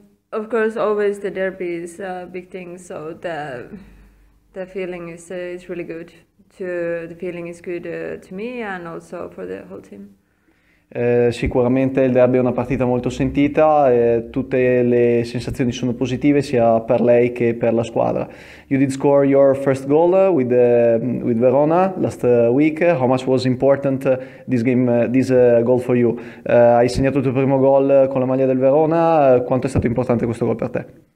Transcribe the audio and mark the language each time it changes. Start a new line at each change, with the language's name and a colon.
English: Of course, always the derby is a big thing, so the feeling is really good. The feeling is good to me and also for the whole team.
Italian: Sicuramente il derby è una partita molto sentita, tutte le sensazioni sono positive sia per lei che per la squadra.
English: You did score your first goal with Verona last week. How much was important this game, this goal for you?
Italian: Hai segnato il tuo primo gol con la maglia del Verona, quanto è stato importante questo gol per te?